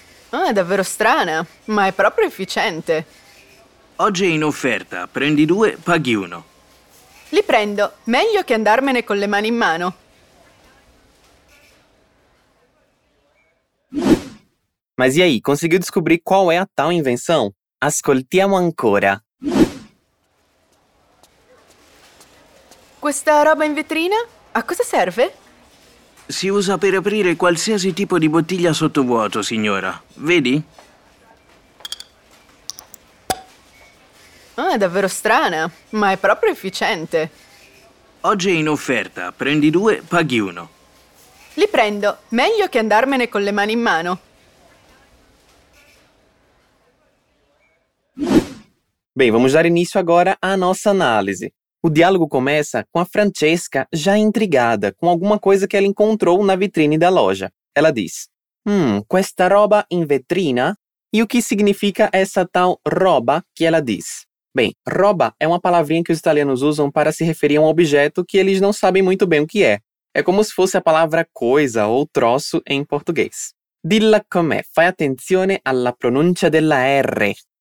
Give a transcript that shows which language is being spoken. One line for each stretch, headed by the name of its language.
Italian: Ah, è davvero strana, ma è proprio efficiente. Oggi è in offerta. Prendi due, paghi uno. Li prendo. Meglio che andarmene con le mani in mano.
Portuguese: Ma e aí, conseguiu descobrir qual è a tal invenção?
Italian: Ascoltiamo ancora. Questa roba in vetrina? A cosa serve? Si usa per aprire qualsiasi tipo di bottiglia sottovuoto, signora. Vedi? Ah, è davvero strana, ma è proprio efficiente. Oggi è in offerta. Prendi due, paghi uno. Li prendo. Meglio che andarmene con le mani in mano.
Portuguese: Bem, vamos dar início agora à nossa análise. O diálogo começa com a Francesca já intrigada com alguma coisa que ela encontrou na vitrine da loja. Ela diz,
Italian: questa roba in vetrina?
Portuguese: E o que significa essa tal roba que ela diz? Bem, roba é uma palavrinha que os italianos usam para se referir a um objeto que eles não sabem muito bem o que é. É como se fosse a palavra coisa ou troço em português.
Italian: Dilla com'è, fai attenzione alla pronuncia della R.